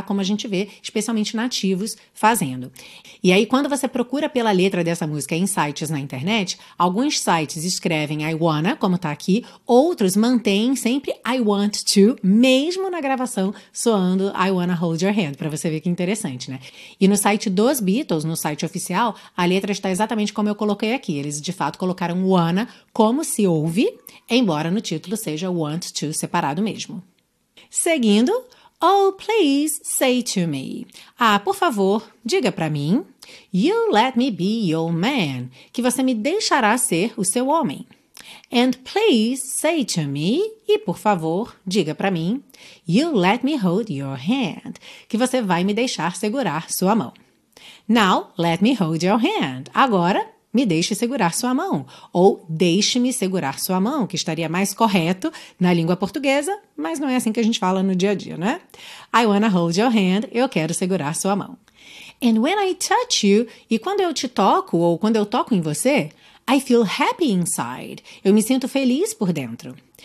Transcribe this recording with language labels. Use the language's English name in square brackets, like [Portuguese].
[Portuguese] Como a gente vê, especialmente nativos fazendo. E aí quando você procura pela letra dessa música em sites na internet, alguns sites escrevem I wanna, como tá aqui, outros mantêm sempre I want to, mesmo na gravação soando [English] I wanna hold your hand, [Portuguese] pra você ver que interessante, né? E no site dos Beatles, no site oficial, a letra está exatamente como eu coloquei aqui. Eles, de fato, colocaram wanna como se ouve, embora no título seja want to separado mesmo. Seguindo, [English] oh, please say to me. [Portuguese] Ah, por favor, diga pra mim. [English] You let me be your man. [Portuguese] Que você me deixará ser o seu homem. [English] And please say to me. [Portuguese] E por favor, diga pra mim. [English] You let me hold your hand. [Portuguese] Que você vai me deixar segurar sua mão. [English] Now, let me hold your hand. [Portuguese] Agora, me deixe segurar sua mão, ou deixe-me segurar sua mão, que estaria mais correto na língua portuguesa, mas não é assim que a gente fala no dia a dia, né? [English] I wanna hold your hand, [Portuguese] eu quero segurar sua mão. [English] And when I touch you, [Portuguese] e quando eu te toco, ou quando eu toco em você, [English] I feel happy inside, [Portuguese] eu me sinto feliz por dentro.